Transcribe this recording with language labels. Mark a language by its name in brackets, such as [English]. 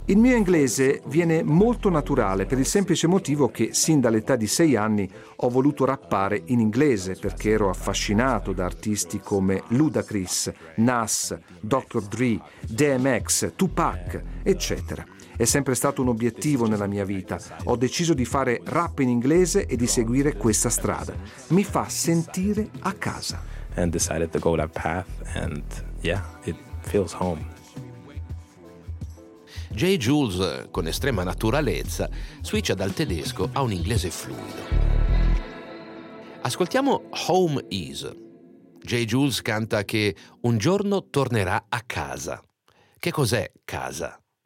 [Italian] Il mio inglese viene molto naturale per il semplice motivo che sin dall'età di 6 anni ho voluto rappare in inglese perché ero affascinato da artisti come Ludacris, Nas, Dr. Dre, DMX, Tupac, eccetera. È sempre stato un obiettivo nella mia vita. Ho deciso di fare rap in inglese e di seguire questa strada. Mi fa sentire a casa. [English] And decided to go that path and yeah, it feels home. [Italian] Jay Jules, con estrema naturalezza, switcha dal tedesco a un inglese fluido. Ascoltiamo Home Is. Jay Jules canta che un giorno tornerà a casa. Che cos'è casa?